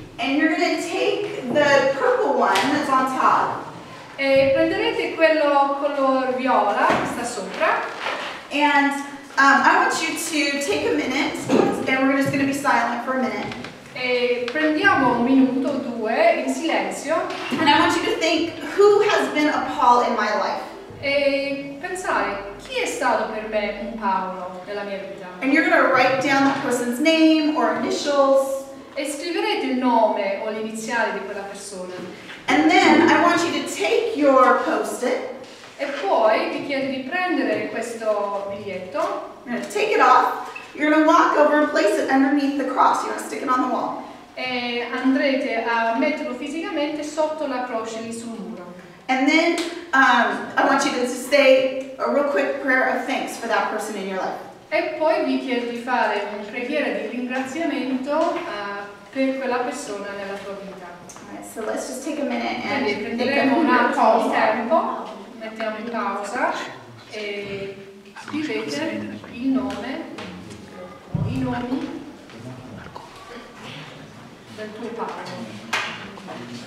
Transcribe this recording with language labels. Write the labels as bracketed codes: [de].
[en] And you're going to take the purple one that's on top. [it] E prenderete quello color viola che sta sopra. [en] And I want you to take a minute, and we're just going to be silent for a minute. [it] E prendiamo un minuto o due in silenzio. [en] And I want you to think, who has been a Paul in my life? [it] E pensare, chi è stato per me un Paolo nella mia vita? [en] And you're going to write down the person's name or initials. [it] E scriverete il nome o l'iniziale di quella persona. [en] And then I want you to take your post-it. [it] E poi ti chiedo di prendere questo biglietto. [en] Take it off. You're going to walk over and place it underneath the cross. You're going to stick it on the wall. [it] E andrete a metterlo fisicamente sotto la croce lì sul muro. [en] And then I want you to say, a real quick prayer of thanks for that person in your life. [it] E poi vi chiedo di fare una preghiera di ringraziamento per quella persona nella tua vita. [en] So let's just take a minute and [it] quindi prenderemo un attimo di tempo, mettiamo in pausa e scrivete il nome, i nomi del tuo padre.